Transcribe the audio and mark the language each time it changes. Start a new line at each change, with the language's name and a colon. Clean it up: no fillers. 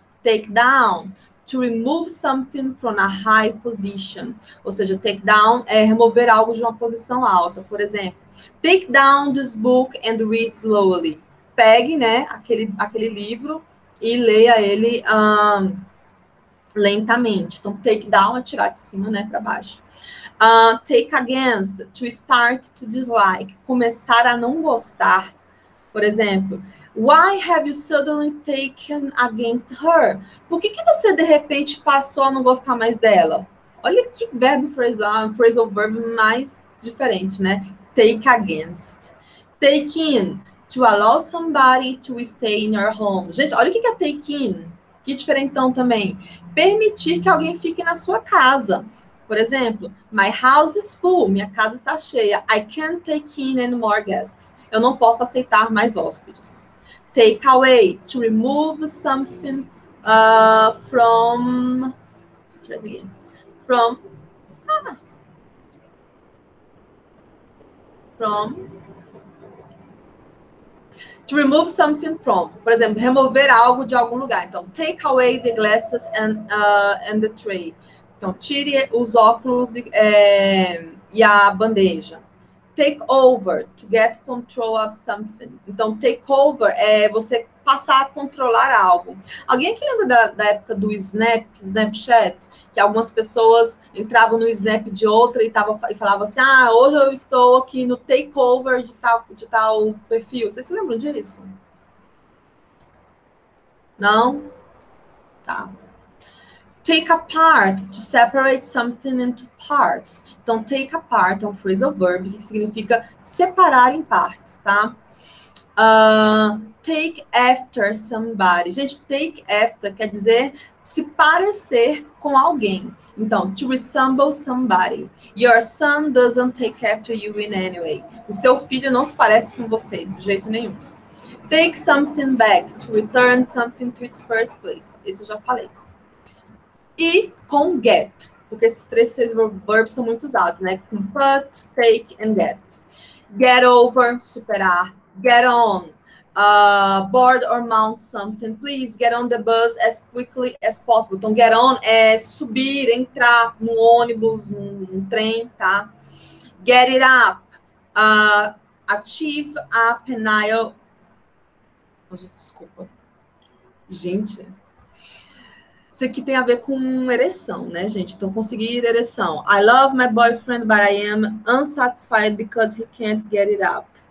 English: Take down, to remove something from a high position.
Portuguese: Ou seja, take down é remover algo de uma posição alta. Por exemplo,
English: take down this book and read slowly.
Portuguese: Pegue, né, aquele livro e leia ele... lentamente. Então, take down é tirar de cima, né, para baixo.
English: Take against, to start to dislike,
Portuguese: começar a não gostar. Por exemplo,
English: why have you suddenly taken against her?
Portuguese: Por que que você, de repente, passou a não gostar mais dela? Olha que verbo phrasal verb mais diferente, né?
English: Take against. Take in, to allow somebody to stay in your home.
Portuguese: Gente, olha o que que é take in. Que diferentão também. Permitir que alguém fique na sua casa. Por exemplo,
English: my house is full.
Portuguese: Minha casa está cheia.
English: I can't take in any more guests.
Portuguese: Eu não posso aceitar mais hóspedes.
English: Take away. To remove something from...
Portuguese: Deixa eu tirar isso aqui.
English: From... Ah. From... To remove something from,
Portuguese: por exemplo, remover algo de algum lugar.
English: Então, take away the glasses and the tray.
Portuguese: Então, tire os óculos e a bandeja.
English: Take over, to get control of something.
Portuguese: Então, take over é você passar a controlar algo. Alguém aqui lembra da época do Snapchat? Que algumas pessoas entravam no Snap de outra e falavam assim, ah, hoje eu estou aqui no takeover de tal perfil. Vocês se lembram disso? Não? Tá.
English: Take apart, to separate something into parts.
Portuguese: Então, take apart é um phrasal verb que significa separar em partes, tá?
English: Take after somebody.
Portuguese: Gente, take after quer dizer se parecer com alguém.
English: Então, to resemble somebody. Your son doesn't take after you in any way.
Portuguese: O seu filho não se parece com você, de jeito nenhum.
English: Take something back, to return something to its first place.
Portuguese: Isso eu já falei. E com get, porque esses três verbos são muito usados, né?
English: Com put, take and get. Get over, superar. Get on, board or mount something, please get on the bus as quickly as possible.
Portuguese: Então, get on é subir, entrar no ônibus, no trem, tá?
English: Get it up, achieve a penile.
Portuguese: Desculpa. Gente, isso aqui tem a ver com ereção, né, gente? Então, conseguir ereção.
English: I love my boyfriend, but I am unsatisfied because he can't get it up.